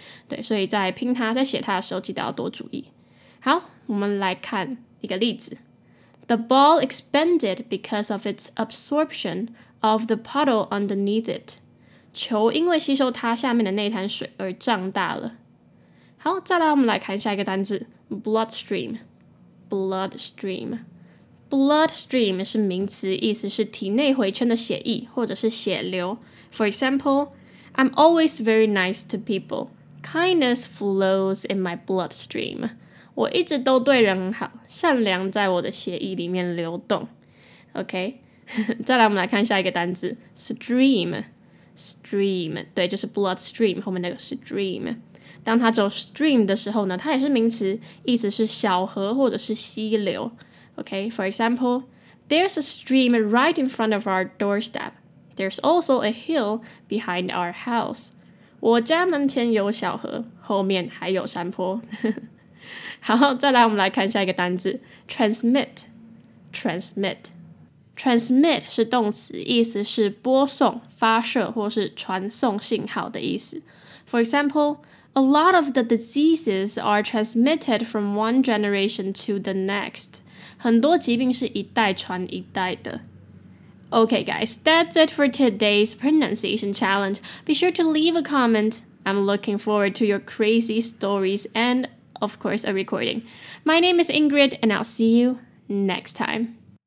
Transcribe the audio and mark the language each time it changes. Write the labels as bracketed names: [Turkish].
[Chinese] 对，所以在拼它，在写它的时候记得要多注意。好，我们来看一个例子。 [English] The ball expanded because of its absorption of the puddle underneath it. [Chinese] 球因为吸收它下面的那滩水而胀大了。好，再来我们来看下一个单字， bloodstream。Bloodstream。 Bloodstream 是名词，意思是体内回圈的血液或者是血流。 [English] For example, I'm always very nice to people. Kindness flows in my bloodstream. [Chinese] 我一直都对人好，善良在我的血液里面流动。 OK， 再来我们来看下一个单字 ，stream。 Stream， 对，就是 bloodstream 后面那个 stream。当它走 stream 的时候呢，它也是名词，意思是小河或者是溪流。 [English] Okay, for example, there's a stream right in front of our doorstep. There's also a hill behind our house. [Chinese] 我家门前有小河，后面还有山坡。好，再来我们来看下一个单字， transmit. Transmit. Transmit 是动词，意思是播送、发射或是传送信号的意思。 [English] For example, a lot of the diseases are transmitted from one generation to the next. [Chinese] 很多疾病是一代传一代的。 [English] Okay, guys, that's it for today's pronunciation challenge. Be sure to leave a comment. I'm looking forward to your crazy stories and, of course, a recording. My name is Ingrid, and I'll see you next time.